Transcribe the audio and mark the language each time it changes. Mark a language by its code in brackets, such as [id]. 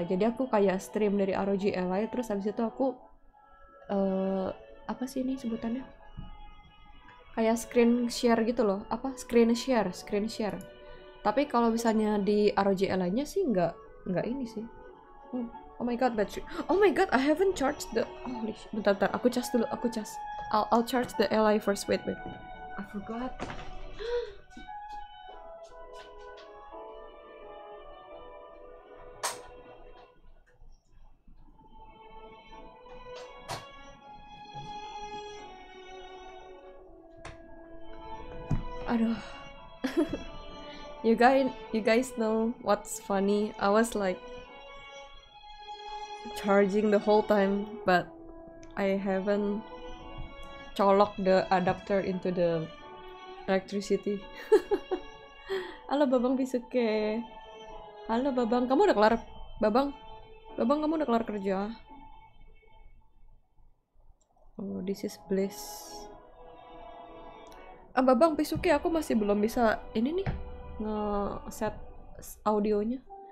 [id] Jadi aku kayak stream dari ROG Ally, terus habis itu aku apa sih ini sebutannya? Kayak screen share gitu loh. Apa? Screen share. Tapi kalau misalnya di ROG Ally-nya sih enggak ini sih. [en] Oh my god, battery. Oh my god, I haven't charged the [id] bentar, aku charge dulu, [en] I'll charge the Ally first. Wait. I forgot. [id] Aduh. [en] you guys know what's funny? I was like charging the whole time, but I haven't [id] colok [en] the adapter into the electricity. [id] Halo Babang Bisuke. Halo Babang, kamu udah kelar? Babang, kamu udah kelar kerja? [en] Oh, this is bliss. [id] Ah, Babang Bisuke, aku masih belum bisa ini nih nge-set audionya.